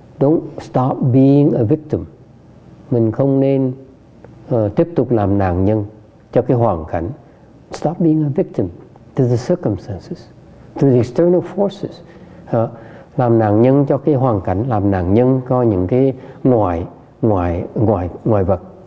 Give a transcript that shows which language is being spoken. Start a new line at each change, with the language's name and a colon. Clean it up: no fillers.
English: Don't stop being a victim.
Vietnamese: Mình không nên tiếp tục làm nạn nhân cho cái hoàn cảnh.
English: Stop being a victim to the circumstances, to the external forces.
Vietnamese: Làm nạn nhân cho cái hoàn cảnh, làm nạn nhân cho những cái ngoài vật.